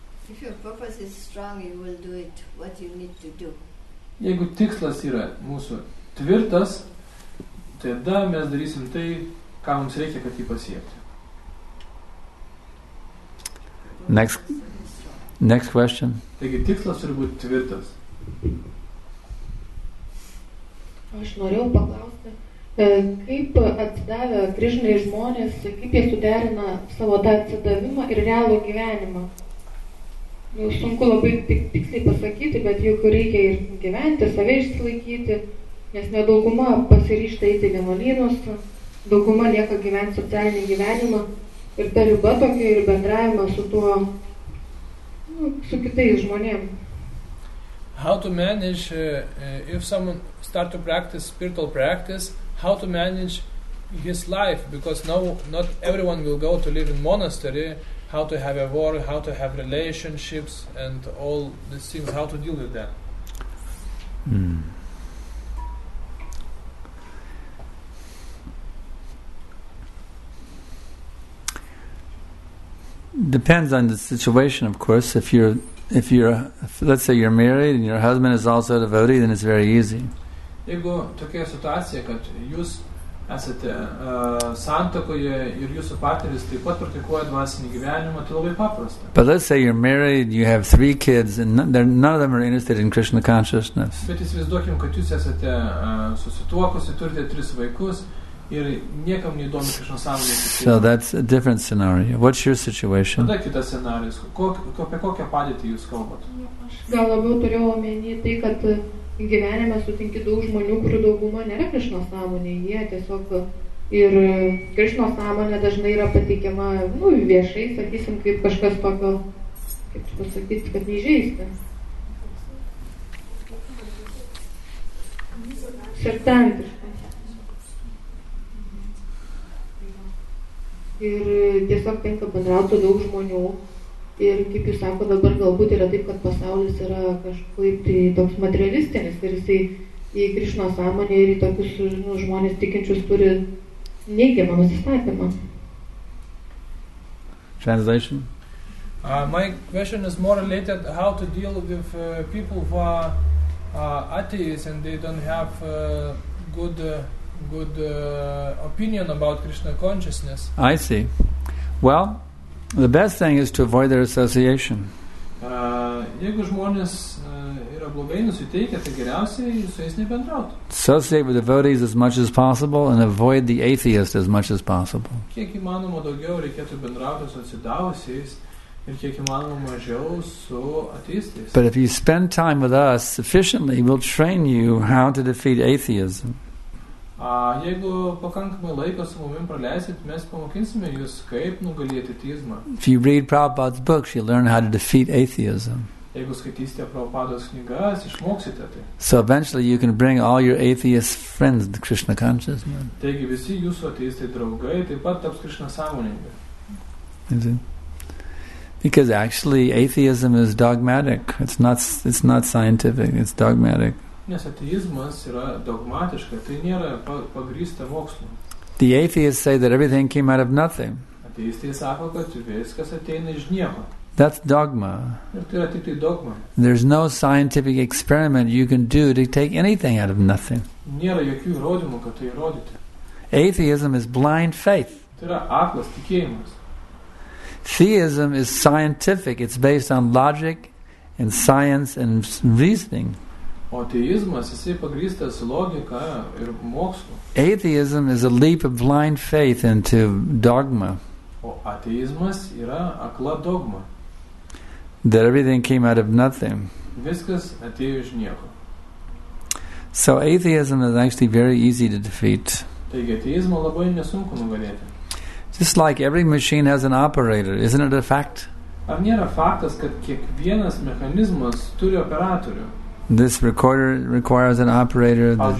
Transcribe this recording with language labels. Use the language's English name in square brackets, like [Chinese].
[English] If your purpose is strong, you will do it what you need to do. [Lithuanian] Jeigu tikslas yra mūsų tvirtas, tada mes darysim tai, ką mums reikia, kad jį pasiekti. [English] Next question. [Lithuanian] Taigi tikslas turi būti tvirtas. Aš norėjau paklausti, kaip atsidavę Krišnai žmonės, kaip jie suderina savo tą atsidavimą ir realų gyvenimą? Nu, sunku labai tiksliai pasakyti, bet juk reikia ir gyventi, save išsilaikyti, nes ne dauguma pasiryšta eiti vienuolynus, dauguma lieka gyventi socialinį gyvenimą ir ta riba tokia ir bendravimą su tuo, nu, su kitais žmonėms. [English] How to manage, if someone start to practice spiritual practice, how to manage his life, because no, not everyone will go to live in monastery, how to have a work, how to have relationships, and all these things, how to deal with them. Depends on the situation, of course. If let's say you're married and your husband is also a devotee, then it's very easy. [Lithuanian] Jeigu tokia situacija, kad jūs esate santokoje ir jūsų partneris taip pat praktikuoja dvasinį gyvenimą, tai labai paprasta. [English] But let's say you're married, you have three kids, and none of them are interested in Krishna consciousness. [Lithuanian] Bet įsivaizduokim, kad jūs esate susituokusi, turite tris vaikus, ir niekam neįdomi Krishna sąmonė. [English] So that's a different scenario. What's your situation? [Lithuanian] Tada kitas scenarijus. Apie kokią padėtį jūs kalbat? Gal labiau turėjau omenyje tai, kad gyvenime sutinki daug žmonių, kurių dauguma nėra Krishna sąmonė. Jie tiesiog ir Krishna sąmonė dažnai yra pateikiama, nu, viešai, sakysim, kaip kažkas tokio, kaip pasakyti, kad neįžeisti. Sertantiškai. Ir tiesiog tenka bendrauti daug žmonių. Ir kaip jūs sako, dabar galbūt yra taip, kad pasaulis yra kažkaip tai toks materialistinis. Ir jisai į Krišno sąmonę ir į tokius, nu, žmonės tikinčius turi neigiamą nusistatymą. [English] Translation. My question is more related how to deal with people who are atheists and they don't have good opinion about Krishna consciousness. I see. Well, the best thing is to avoid their association. [Lithuanian] Jeigu žmonės yra blogai nusiteikę, tai geriausiai su jais nebendrauti. [English] Associate with devotees as much as possible and avoid the atheists as much as possible. [Lithuanian] Kiek įmanoma daugiau reikėtų bendrauti su atsidavusiais ir kiek įmanoma mažiau su ateistais. [English] But if you spend time with us sufficiently, we'll train you how to defeat atheism. [Lithuanian] Jeigu pakankamai laiko su mumim praleisit, mes pamokinsime jūs, kaip nugalėti ateizmą. [English] If you read Prabhupada's books, you learn how to defeat atheism. [Lithuanian] Jeigu skaitysite Prabhupada's knygas, išmoksite tai. [English] So eventually you can bring all your atheist friends to Krishna consciousness. [Lithuanian] Taigi visi jūsų ateistai draugai taip pat taps Krishna sąmoningi. [English] Is it? Because actually atheism is dogmatic. It's not scientific, it's dogmatic. [Lithuanian] Nes ateizmas yra dogmatiška, tai nėra pagrįsta mokslu. [English] The atheists say that everything came out of nothing. [Lithuanian] Ateistai sako, kad viskas ateina iš nieko. [English] That's dogma. [Lithuanian] Ir tai yra tik tai dogma. [English] There's no scientific experiment you can do to take anything out of nothing. [Lithuanian] Nėra jokių įrodymų, kad tai įrodyti. [English] Atheism is blind faith. [Lithuanian] Tai yra aklas tikėjimas. [English] Theism is scientific. It's based on logic and science and reasoning. [Lithuanian] O ateizmas, jisai pagrįstas logika ir mokslu. [English] Atheism is a leap of blind faith into dogma. [Lithuanian] O ateizmas yra akla dogma. [English] That everything came out of nothing. [Lithuanian] Viskas atėjo iš nieko. [English] So atheism is actually very easy to defeat. [Lithuanian] Taigi ateizmą labai nesunku nugalėti. [English] Just like every machine has an operator, isn't it a fact? [Lithuanian] Ar nėra faktas, kad kiekvienas mechanizmas turi operatorių? [English] This recorder requires an operator.